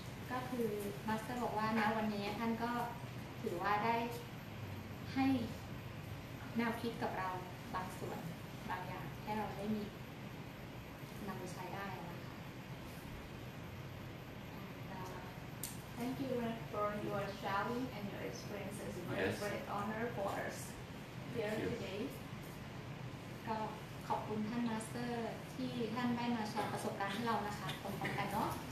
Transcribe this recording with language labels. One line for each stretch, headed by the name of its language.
Thai: ก็คือมาสเตอร์บอกว่านะวันนี้ท่านก็ถือว่าได้ให้แนวคิดกับเราบางส่วนบางอย่างให้เราได้มีนำไปใช้ได้นะคะ
English: Thank you for your sharing and your experiences. Yes. It's a great honor for us.
Thai: ก็ขอบคุณท่านมาสเตอร์ที่ท่านได้มาแชร์ประสบการณ์ให้เรานะคะพร้อมๆกันเนาะ